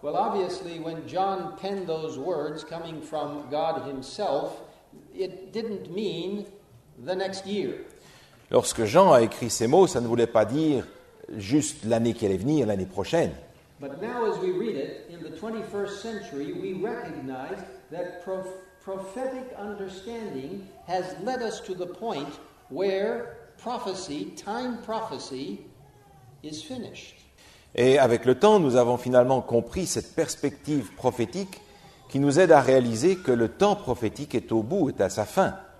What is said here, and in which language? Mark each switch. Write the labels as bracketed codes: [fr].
[en] Well, obviously, when John penned those words coming from God himself, it didn't mean the next year. [fr] Lorsque Jean a écrit ces mots, ça ne voulait pas dire juste l'année qui allait venir, l'année prochaine. [en] But now as we read it, in the 21st century, we recognize that prophetic understanding has led us to the point where prophecy, time prophecy, is finished. [fr] Et avec le temps, nous avons finalement compris cette perspective prophétique qui nous aide à réaliser que le temps prophétique est au bout, est à sa fin.